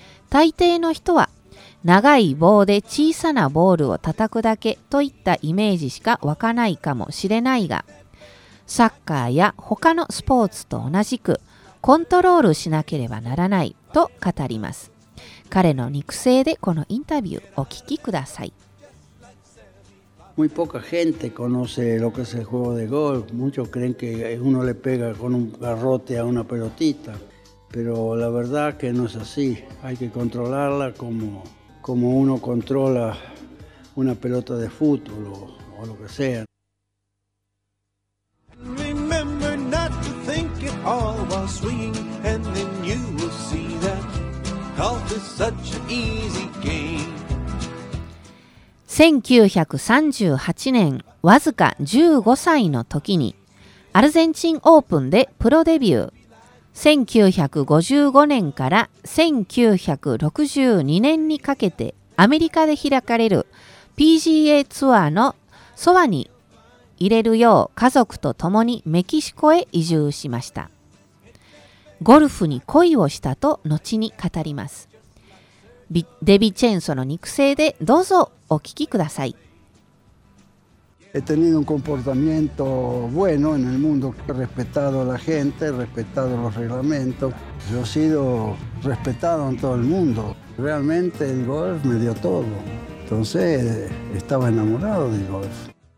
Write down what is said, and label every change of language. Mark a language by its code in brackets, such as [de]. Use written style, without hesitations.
[ja] 大抵の人は長い棒で小さなボールを叩くだけといったイメージしか湧かないかもしれないが、サッカーや他のスポーツと同じくコントロールしなければならないと語ります。彼の肉声でこのインタビューお聞きください。 [es] Muy poca gente conoce lo que es el juego de golf. Muchos creen que uno le pega con un garrote a una pelotita. Pero la verdad que no es así. Hay que controlarla como uno controla una pelota de fútbol o lo que sea. [en] Remember not to think it all while swinging, and then you will see that golf is such an easy game. [ja] 1938年、わずか15歳の時にアルゼンチンオープンでプロデビュー。 1955年から1962年にかけてアメリカで開かれる PGA ツアーのそばに入れるよう家族と共にメキシコへ移住しました。ゴルフに恋をしたと後に語ります。デビチェンソの肉声でどうぞお聞きください。 [es] He tenido un comportamiento bueno en el mundo, respetado a la gente, respetado los reglamentos. Yo he sido respetado en todo el mundo. Realmente el golf me dio todo. Entonces estaba enamorado del golf.